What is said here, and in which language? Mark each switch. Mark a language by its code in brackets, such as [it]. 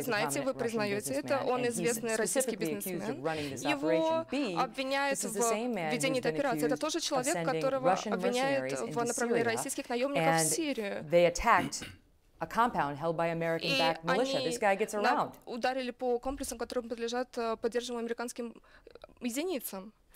[ru] Вы знаете, вы признаете это, он известный российский бизнесмен. Его обвиняют в ведении этой операции. Это тоже человек, которого обвиняют в направлении российских наемников в Сирию. [en] They attacked a compound held by American-backed militia. This guy gets around. [ru] Ударили по комплексам, которым подлежат поддерживаемым американским единицам.